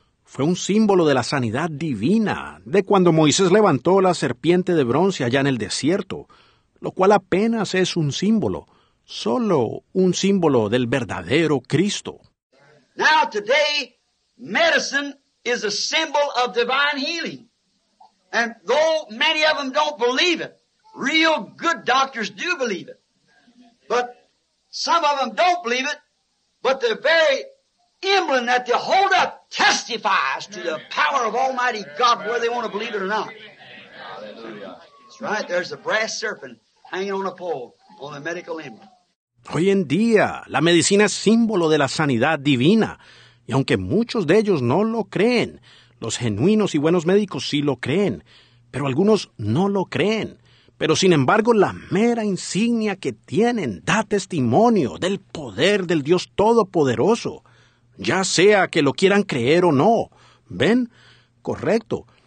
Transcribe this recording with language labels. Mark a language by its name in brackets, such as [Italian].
[Spanish] Fue un símbolo de la sanidad divina, de cuando Moisés levantó la serpiente de bronce allá en el desierto, lo cual apenas es un símbolo. solo un símbolo del verdadero Cristo. [English] Now today, medicine is a symbol of divine healing. And though many of them don't believe it, real good doctors do believe it. But some of them don't believe it, but the very emblem that they hold up testifies to the power of Almighty God, whether they want to believe it or not. That's right, there's a brass serpent hanging on a pole on the medical emblem. [Spanish] Hoy en día, la medicina es símbolo de la sanidad divina. Y aunque muchos de ellos no lo creen, los genuinos y buenos médicos sí lo creen, pero algunos no lo creen. Pero sin embargo, la mera insignia que tienen da testimonio del poder del Dios Todopoderoso, ya sea que lo quieran creer o no. ¿Ven? Correcto.